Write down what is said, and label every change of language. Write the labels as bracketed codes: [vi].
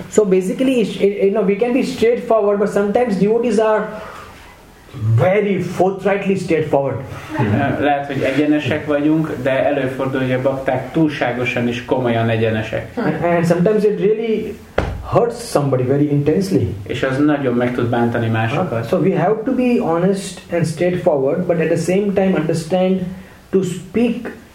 [en] So basically, you know, we can be straightforward, but sometimes devotees are very forthrightly straightforward. [hu] Lehet, hogy egyenesek vagyunk, de előfordul, hogy a bakták túlságosan is komolyan egyenesek. [en] And sometimes it really hurts somebody very intensely. [hu] És az nagyon meg tud bántani másokat. [en] So we have to be honest and straightforward, but at the same time understand to speak